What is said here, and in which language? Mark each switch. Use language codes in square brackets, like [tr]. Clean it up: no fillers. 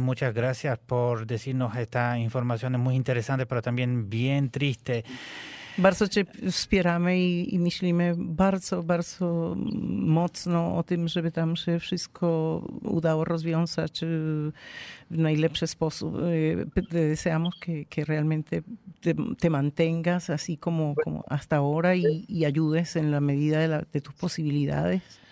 [es] Muchas gracias por decirnos esta información muy interesante, pero también bien triste. [pl] Bardzo cię wspieramy i myślimy bardzo, bardzo mocno o tym, żeby tam się wszystko udało rozwiązać w najlepszy sposób. [es] Deseamos que realmente te mantengas así como hasta ahora y ayudes en la medida de tus posibilidades.